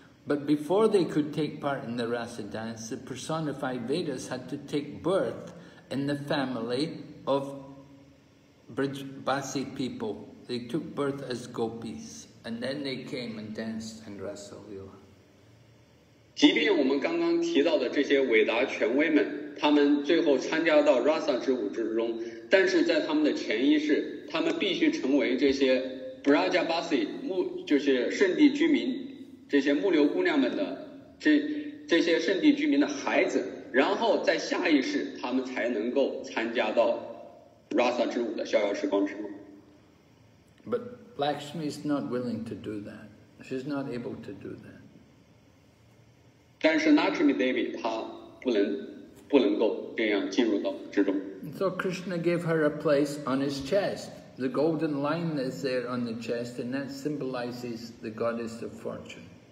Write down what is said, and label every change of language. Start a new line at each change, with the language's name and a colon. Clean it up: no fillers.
English: But before they could take part in the rasa dance, the personified Vedas had to take birth in the family of Brijbasi people. They took birth as gopis, and then they came and danced and wrestled.
Chinese: 即便我们刚刚提到的这些伟达权威们，他们最后参加到 rasa 之舞之中，但是在他们的潜意识，他们必须成为这些 Brijbasi 就是圣地居民。这些木流姑娘们的 这些圣地居民的孩子，然后在下一世他们才能够参加到 Rasa 之舞的逍遥时光之舞。
English: But Lakshmi is not willing to do that. She's not able to do that.
Chinese: 但是 Lakshmi Devi 她不能够这样进入到之中。
English: And、so Krishna gave her a place on his chest. The golden line is there on the chest and that symbolizes the goddess of fortune.